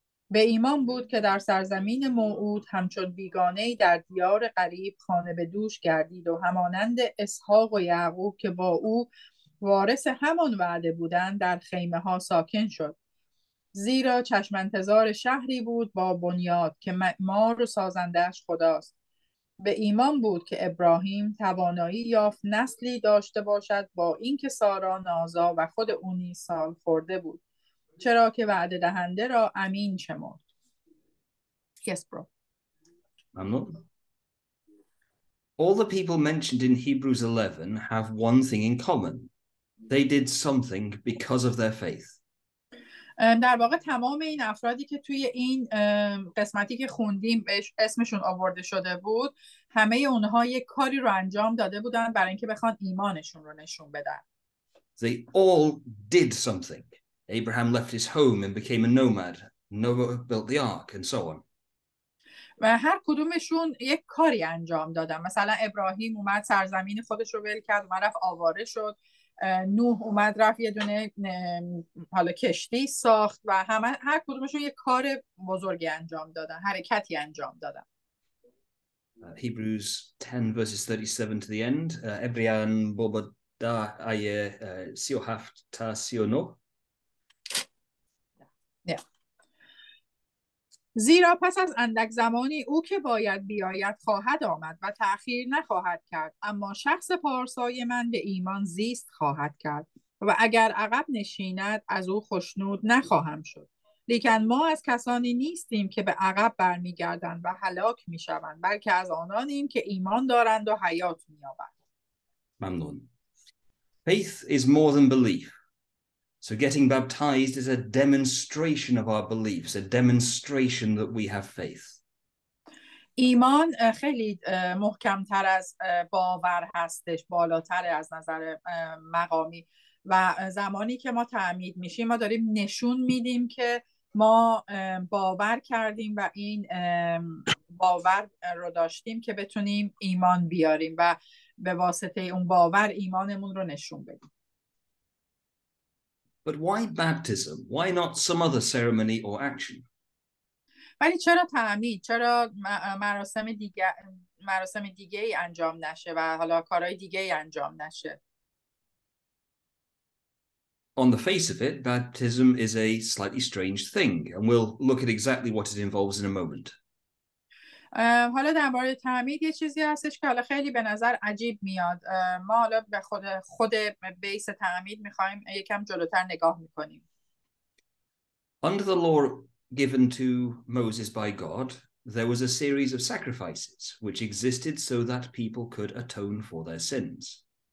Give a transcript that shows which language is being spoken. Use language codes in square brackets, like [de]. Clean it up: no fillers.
[fa] به ایمان بود که در سرزمین موعود همچون بیگانه‌ای در دیار غریب خانه به دوش گردید و همانند اسحاق و یعقوب که با او وارث همان وعده بودند در خیمه ها ساکن شد، زیرا چشم انتظار شهری بود با بنیاد که معمار و سازندهش خداست. به ایمان بود که ابراهیم توانایی یافت نسلی داشته باشد با اینکه سارا نازا و خود او نیز سال خورده بود، چرا که وعده دهنده را امین شمرد. [en] Yes, bro. All the people mentioned in Hebrews 11 have one thing in common. They did something because of their faith. [fa] در واقع تمام این افرادی که توی این قسمتی که خوندیم اسمشون آورده شده بود، همه اونها یک کاری رو انجام داده بودن برای اینکه بخوان ایمانشون رو نشون بدن. [en] They all did something. Abraham left his home and became a nomad. Noah built the ark and so on. [fa] و هر کدومشون یک کاری انجام دادن. مثلا ابراهیم اومد سرزمین خودش رو ول کرد، معرف آواره شد. نوح اومد رفت یه دونه حالا کشتی ساخت و همه هر کدومشون یه کار بزرگی انجام دادن، حرکتی انجام دادن. [en] Hebrews 10 verses 37 to the end. [fa] Ebrian boba da aye sio haft ta sio no. زیرا پس از اندک زمانی او که باید بیاید خواهد آمد و تأخیر نخواهد کرد، اما شخص پارسای من به ایمان زیست خواهد کرد و اگر عقب نشیند از او خشنود نخواهم شد. لیکن ما از کسانی نیستیم که به عقب برمیگردند و هلاک میشوند، بلکه از آنانیم که ایمان دارند و حیات مییابند. ممنون. [en] Faith is more than belief. So getting baptized is a demonstration of our beliefs, a demonstration that we have faith. [fa] ایمان خیلی محکمتر از باور هستش، بالاتر از نظر مقامی. و زمانی که ما تعمید میشیم، ما داریم نشون میدیم که ما باور کردیم و این باور رو داشتیم که بتونیم ایمان بیاریم و به واسطه اون باور ایمانمون رو نشون بدیم. [en] But why baptism? Why not some other ceremony or action? [fa] ولی چرا تعمید؟ چرا مراسم دیگه ای انجام نشه و حالا کارهای دیگه ای انجام نشه؟ [en] On the face of it, baptism is a slightly strange thing, and we'll look at exactly what it involves in a moment. [fa] حالا درباره تعمید یه چیزی هستش که حالا خیلی به نظر عجیب میاد. ما حالا به خود بیس تعمید میخوایم یکم جلوتر نگاه میکنیم. [en] Under the law given to Moses by God, there was a series of sacrifices which existed so that people could atone for their sins.